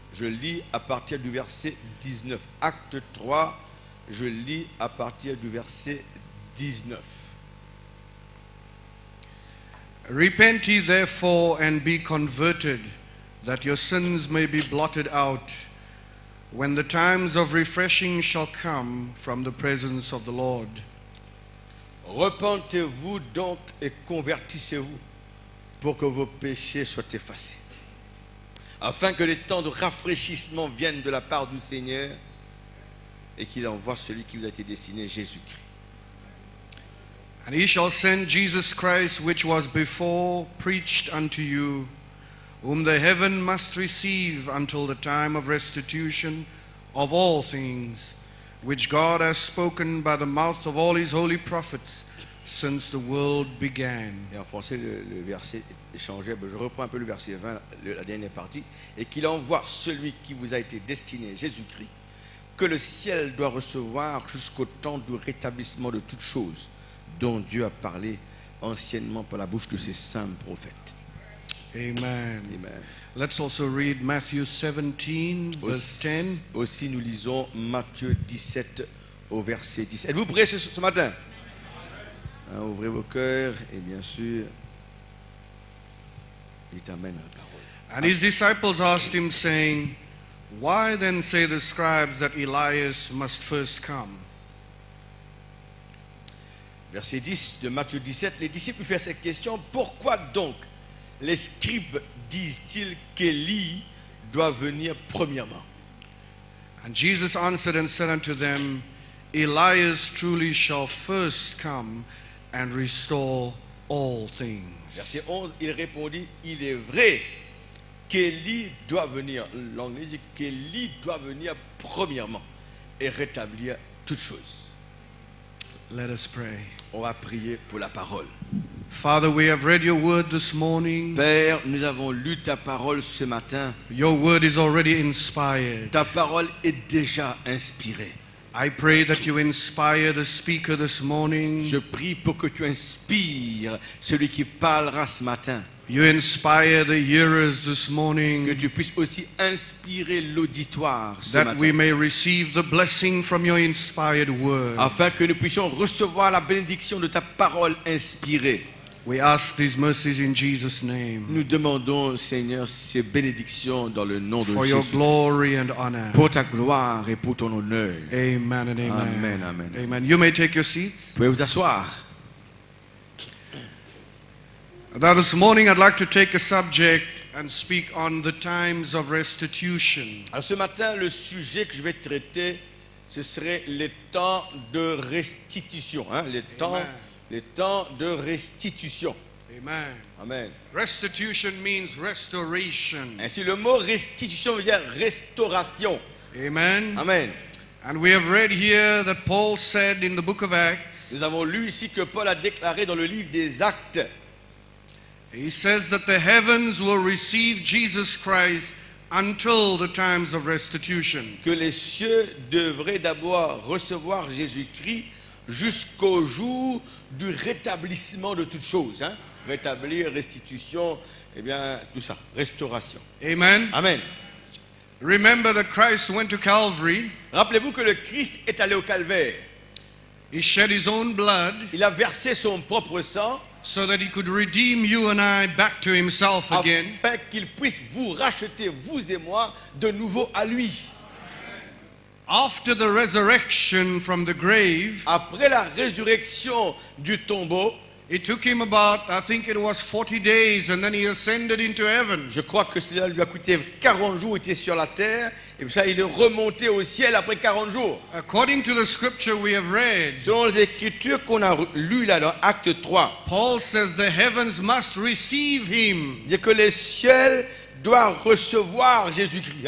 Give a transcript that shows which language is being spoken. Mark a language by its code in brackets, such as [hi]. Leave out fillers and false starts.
[fr] Je lis à partir du verset 19. Acte 3, je lis à partir du verset 19. [en] Repent ye therefore and be converted, that your sins may be blotted out, when the times of refreshing shall come from the presence of the Lord. [fr] Repentez-vous donc et convertissez-vous, pour que vos péchés soient effacés. Afin que les temps de rafraîchissement viennent de la part du Seigneur et qu'il envoie celui qui vous a été destiné, Jésus-Christ. [en] And he shall send Jesus Christ, which was before preached unto you, whom the heaven must receive until the time of restitution of all things, which God has spoken by the mouth of all his holy prophets since the world began. [fr] Et en français, le verset est changé. Je reprends un peu le verset 20, la dernière partie. Et qu'il envoie celui qui vous a été destiné, Jésus-Christ, que le ciel doit recevoir jusqu'au temps du rétablissement de toutes choses dont Dieu a parlé anciennement par la bouche de ses saints prophètes. Amen. Amen. [en] Let's also read Matthew 17, verse 10. [fr] Aussi, nous lisons Matthieu 17, au verset 10. Êtes-vous prêts ce matin? Ouvrez vos cœurs et bien sûr, il t'amène à la parole. [en] And his disciples asked him, saying, why then say the scribes that Elias must first come? [fr] Verset 10 de Matthieu 17, les disciples lui firent cette question, pourquoi donc les scribes disent-ils qu'Élie doit venir premièrement? [en] And Jesus answered and said unto them, Elias truly shall first come and restore all things. [fr] Verset 11, il répondit, il est vrai qu'Élie doit venir, l'anglais dit qu'Élie doit venir premièrement et rétablir toutes choses. [en] Let us pray. [fr] On va prier pour la parole. [en] Father, we have read your word this morning. [fr] Père, nous avons lu ta parole ce matin. [en] Your word is already inspired. [fr] Ta parole est déjà inspirée. [en] I pray that you inspire the speaker this morning. [fr] Je prie pour que tu inspires celui qui parlera ce matin. [en] You inspire the hearers this morning. [fr] Que tu puisses aussi inspirer l'auditoire ce [en] that [fr] matin. [en] That we may receive the blessing from your inspired word. [fr] Afin que nous puissions recevoir la bénédiction de ta parole inspirée. [en] We ask these mercies in Jesus' name. [fr] Nous demandons, Seigneur, ces bénédictions dans le nom de [en] Jésus. For your glory and honor. [fr] Pour ta gloire et pour ton honneur. [en] Amen and amen. [fr] Amen, amen. [en] Amen. You may take your seats. [fr] Vous pouvez vous asseoir. [en] Now this morning I'd like to take a subject and speak on the times of restitution. [fr] Alors ce matin, le sujet que je vais traiter, ce serait les temps de restitution. Hein, les temps. Amen. Les temps de restitution. Amen. Amen. [en] Restitution means restoration. [fr] Ainsi, le mot restitution veut dire restauration. Amen. Amen. [en] And we have read here that Paul said in the book of Acts. [fr] Nous avons lu ici que Paul a déclaré dans le livre des Actes. [en] He says that the heavens will receive Jesus Christ until the times of restitution. [fr] Que les cieux devraient d'abord recevoir Jésus-Christ jusqu'au jour du rétablissement de toutes choses, hein? Rétablir, restitution, eh bien tout ça, restauration. Amen. Amen. [en] Remember that Christ went to Calvary. [fr] Rappelez-vous que le Christ est allé au calvaire. [en] He shed his own blood. [fr] Il a versé son propre sang. [en] So that he could redeem you and I back to himself again. [fr] Afin qu'il puisse vous racheter, vous et moi, de nouveau à lui. [en] After the resurrection from the grave, [fr] après la résurrection du tombeau, [en] It took him about, I think it was 40 days, and then he ascended into heaven. [fr] Je crois que cela lui a coûté 40 jours. Il était sur la terre, et puis ça, il est remonté au ciel après 40 jours. [en] According to the scripture we have read, [fr] selon les écritures qu'on a lues là dans Acte 3, [en] Paul says the heavens must receive him. [fr] Il dit que les cieux doit recevoir Jésus-Christ.